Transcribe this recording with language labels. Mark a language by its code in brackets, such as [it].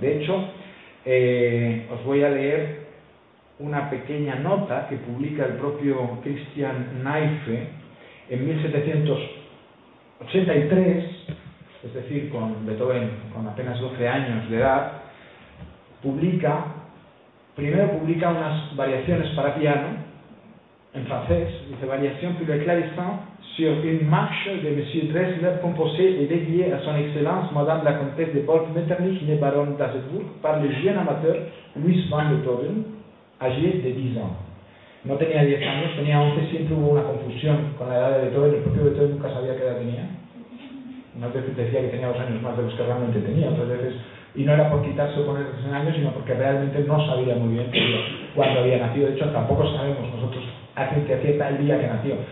[es] De hecho, os voy a leer una pequeña nota que publica el propio Christian Naife en 1783, es decir, con Beethoven con apenas 12 años de edad. Primero publica unas variaciones para piano en francés, dice: [fr] Variation pour le clavecin sur une marche de Monsieur Dresler, composée et dédiée à son excellence Madame la Comtesse de Wolf Metternich, née Baronne d'Azebourg, par le jeune amateur Louis van Beethoven, âgé de 10 ans. [es] No tenía 10 años, tenía 11, siempre hubo una confusión con la edad de Beethoven, el propio Beethoven nunca sabía qué edad tenía. Una vez decía que tenía 2 años más de los que realmente tenía, otras veces, y no era por quitarse o ponerse 10 años, sino porque realmente no sabía muy bien cuándo había nacido. De hecho, tampoco sabemos nosotros a ciencia cierta el día que nació.